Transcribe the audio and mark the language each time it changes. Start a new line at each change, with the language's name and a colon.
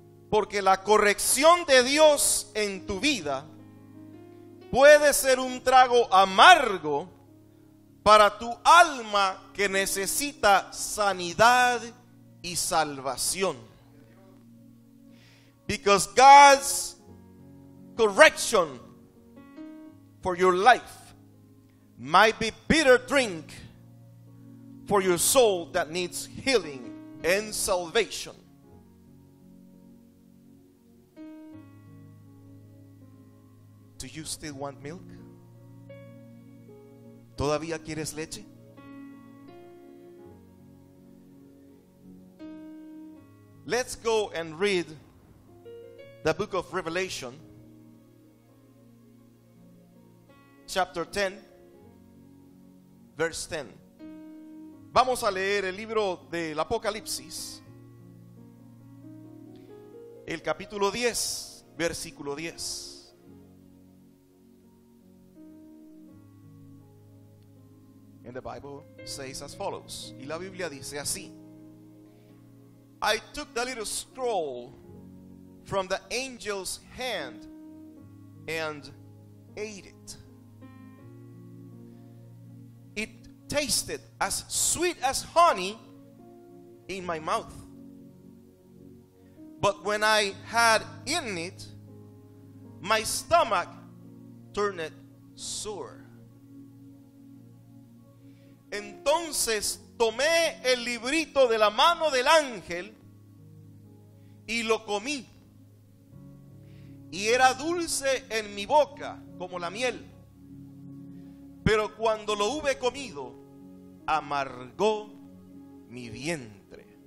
Spanish: Porque la corrección de Dios en tu vida puede ser un trago amargo para tu alma que necesita sanidad y salvación.
English: Because God's correction for your life might be bitter drink for your soul that needs healing and salvation. Do you still want milk?
Spanish: ¿Todavía quieres leche?
English: Let's go and read the book of Revelation, chapter 10, verse 10.
Spanish: Vamos a leer el libro del Apocalipsis, el capítulo 10, versículo 10.
English: And the Bible says as follows.
Spanish: Y la Biblia dice así.
English: I took the little scroll from the angel's hand and ate it. It tasted as sweet as honey in my mouth. But when I had eaten it, my stomach turned sore.
Spanish: Entonces tomé el librito de la mano del ángel y lo comí, y era dulce en mi boca como la miel, pero cuando lo hube comido, amargó mi vientre.